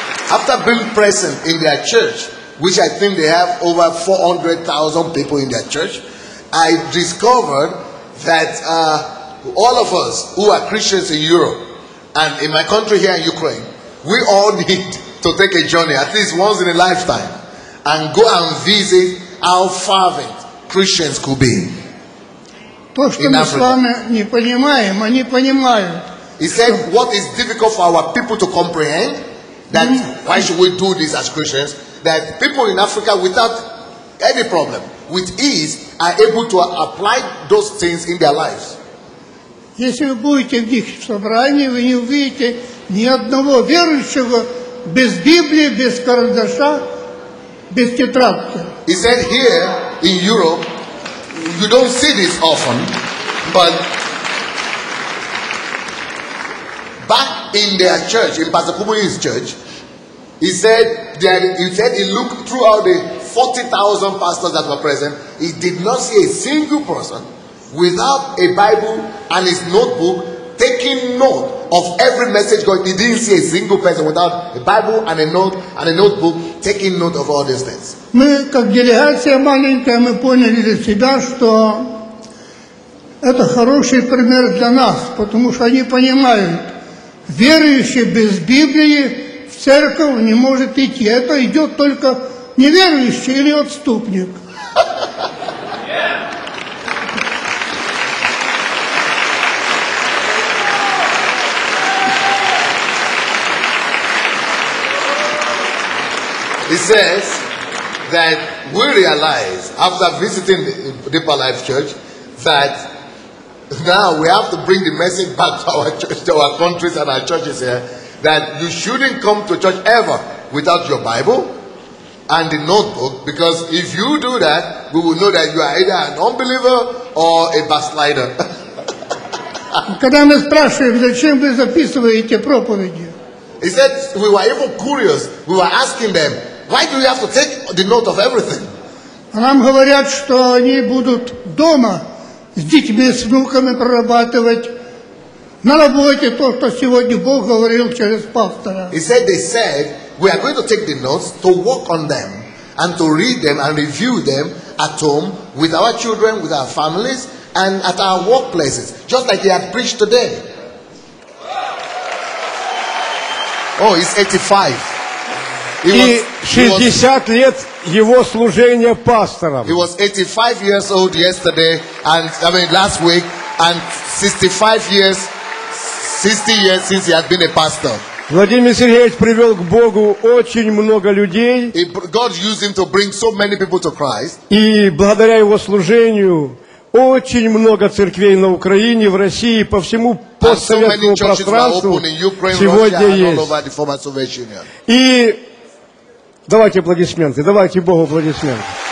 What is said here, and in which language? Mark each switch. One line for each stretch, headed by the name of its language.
English: After being present in their church, which I think they have over 400,000 people in their church, I discovered that all of us who are Christians in Europe and in my country here in Ukraine, we all need to take a journey at least once in a lifetime and go and visit how fervent Christians could be.
Russian: То, что мы с вами не понимаем, они понимают.
English: He said, what is difficult for our people to comprehend, that why should we do this as Christians, that people in Africa without any problem, with ease, are able to apply those things in their lives.
Russian: Если вы будете в их собрании, вы не увидите ни одного верующего без Библии, без карандаша, без тетрадки.
English: He said here in Europe, you don't see this often, but back in their church, in Pastor Kumuyi's church, he said that he said he looked throughout the 40,000 pastors that were present, he did not see a single person without a Bible and his notebook taking note of every message going. He didn't see a single person without a Bible and a note and a notebook taking note of all these things.
Russian: Мы как делегация маленькая, мы поняли для себя, что это хороший пример для нас, потому что они понимают. Верующий без Библии в церковь не может идти. Это идет только неверующий или отступник.
English: He says that we realize after visiting Deeper Life Church that now we have to bring the message back to our church, to our countries and our churches here, that you shouldn't come to church ever without your Bible and the notebook, because if you do that, we will know that you are either an unbeliever or a backslider.
Russian: Когда мы спрашиваем, зачем вы записываете проповеди?
English: He said we were even curious. We were asking them, why do you have to take the note of everything?
Russian: Нам говорят, что они будут дома с детьми, с внуками прорабатывать на работе то, что сегодня Бог говорил через пастора.
English: He said, they said, we are going to take the notes to work on them and to read them and review them at home with our children, with our families and at our workplaces, just like he had preached today. Oh, he's 85. He was
Russian: 60 лет его служения пастором.
English: He was 85 years old yesterday, and I mean last week, and 60 years since he had been a pastor.
Russian: Владимир Сергеевич привел к Богу очень много людей.
English: God used him to bring so many people to Christ.
Russian: И благодаря его служению очень много церквей на Украине, в России, по всему постсоветскому пространству сегодня есть. И давайте аплодисменты. Давайте Богу аплодисменты.